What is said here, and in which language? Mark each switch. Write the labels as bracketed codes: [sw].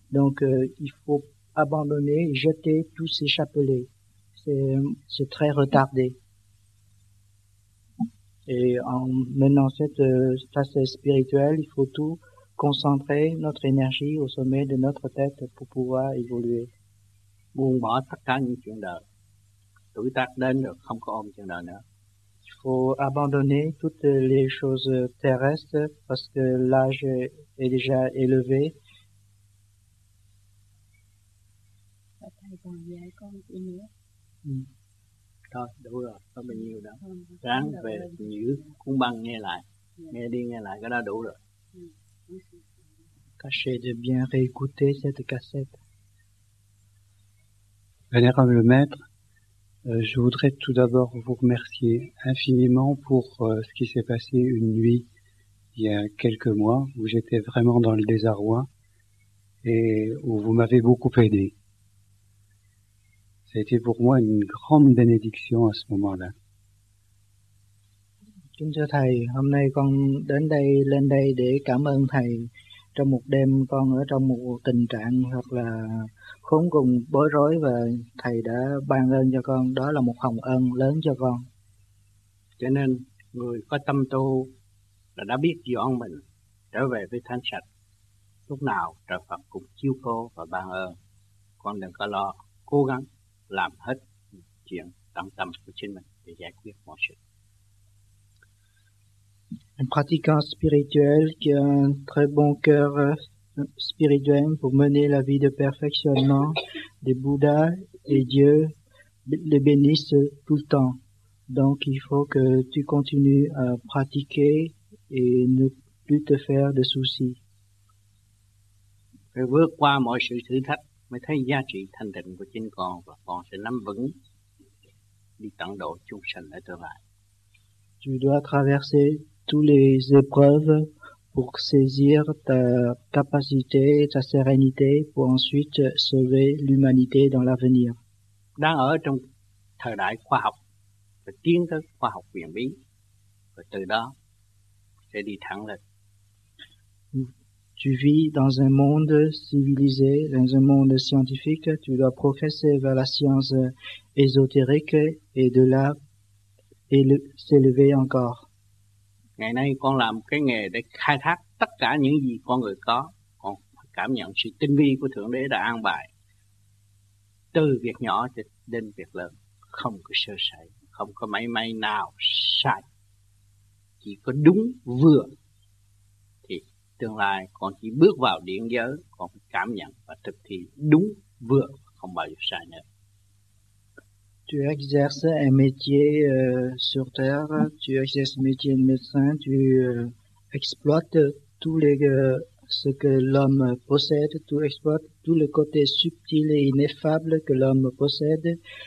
[fr] Donc, il faut abandonner, jeter tous ces chapelets. C'est très retardé. Et en menant cette ascèse spirituelle, il faut tout concentrer notre énergie au sommet de notre tête pour pouvoir évoluer. [vi] Buông bỏ tất cả những chuyện đời. Tuổi tác đến rồi, không có ôm chuyện đời nữa. [fr] Faut abandonner toutes les choses terrestres parce que l'âge est déjà élevé. [vi] Thôi, đủ rồi, không bao nhiêu đâu. Ráng về giữ cuốn băng nghe lại, nghe đi nghe lại, cái đó đủ rồi. [fr] Tâchez de bien réécouter cette cassette. Vénérable maître, je voudrais tout d'abord vous remercier infiniment pour ce qui s'est passé une nuit il y a quelques mois où j'étais vraiment dans le désarroi et où vous m'avez beaucoup aidé. Ça a été pour moi une grande bénédiction à ce moment-là. [vi] Kính thưa thầy, hôm nay con đến đây lên đây để cảm ơn thầy. Trong một đêm con ở trong một tình trạng hoặc là khốn cùng bối rối và thầy đã ban ơn cho con, đó là một hồng ân lớn cho con. Cho nên người có tâm tu là đã biết dọn mình trở về với thanh sạch, lúc nào trời Phật cũng chiếu cố và ban ơn. Con đừng có lo, cố gắng làm hết chuyện tâm tâm của chính mình để giải quyết mọi sự. [fr] Un pratiquant spirituel qui a un très bon cœur spirituel pour mener la vie de perfectionnement des Bouddhas et Dieu les bénisse tout le temps. Donc il faut que tu continues à pratiquer et ne plus te faire de soucis. [vi] Phải vượt qua mọi sự thử thách mới thấy giá trị thanh tịnh của chính con và con sẽ nắm vững đi tận độ chúng sanh ở tương lai. [fr] Tu dois traverser toutes les épreuves pour saisir ta capacité, ta sérénité, pour ensuite sauver l'humanité dans l'avenir. [vi] Đang ở trong thời đại khoa học và tiến tới khoa học huyền bí, và từ đó sẽ đi thẳng lên. [fr] Tu vis dans un monde civilisé, dans un monde scientifique. Tu dois progresser vers la science ésotérique et de là s'élever encore. [vi] Ngày nay con làm cái nghề để khai thác tất cả những gì con người có. Con cảm nhận sự tinh vi của Thượng Đế đã an bài. Từ việc nhỏ đến việc lớn, không có sơ sẩy, không có mảy may nào sai. Chỉ có đúng vừa. Thì tương lai con chỉ bước vào điện giới, con cảm nhận và thực thi đúng vừa, không bao giờ sai nữa. [fr] Tu exerces un métier sur terre, tu exerces le métier de médecin, tu exploites tout ce que l'homme possède, tu exploites tout le côté subtil et ineffable que l'homme possède.